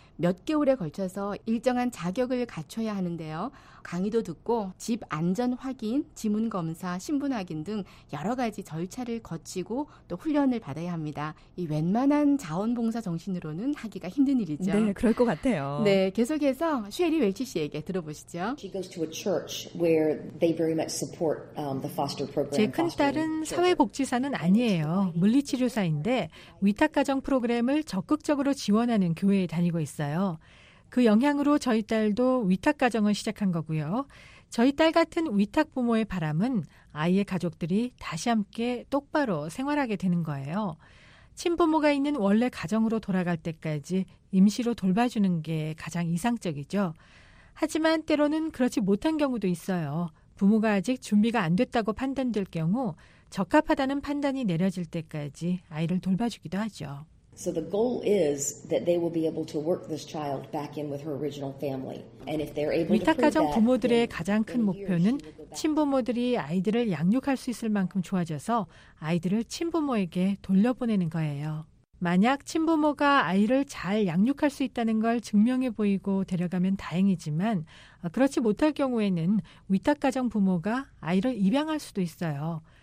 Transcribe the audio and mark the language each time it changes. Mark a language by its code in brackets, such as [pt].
[ko] 몇 개월에 걸쳐서 일정한 자격을 갖춰야 하는데요. 강의도 듣고 집 안전 확인, 지문 검사, 신분 확인 등 여러 가지 절차를 거치고 또 훈련을 받아야 합니다. 이 웬만한 자원봉사 정신으로는 하기가 힘든 일이죠. 네, 그럴 것 같아요. 네, 계속해서 쉐리 웰치 씨에게 들어보시죠. [en] She goes to a church where they very much support the foster program. [ko] 제 큰딸은 사회복지사는 아니에요. 물리치료사인데 위탁가정 프로그램을 적극적으로 지원하는 교회에 다니고 있어요. 그 영향으로 저희 딸도 위탁 가정을 시작한 거고요. 저희 딸 같은 위탁 부모의 바람은 아이의 가족들이 다시 함께 똑바로 생활하게 되는 거예요. 친부모가 있는 원래 가정으로 돌아갈 때까지 임시로 돌봐주는 게 가장 이상적이죠. 하지만 때로는 그렇지 못한 경우도 있어요. 부모가 아직 준비가 안 됐다고 판단될 경우 적합하다는 판단이 내려질 때까지 아이를 돌봐주기도 하죠. [en] So the goal is that they will be able to work this child back in with her original family. And if they're able to prove that, [ko] 위탁 가정 부모들의 가장 큰 목표는 친부모들이 아이들을 양육할 수 있을 만큼 좋아져서 아이들을 친부모에게 돌려보내는 거예요. 만약 친부모가 아이를 잘 양육할 수 있다는 걸 증명해 보이고 데려가면 다행이지만 그렇지 못할 경우에는 위탁 가정 부모가 아이를 입양할 수도 있어요.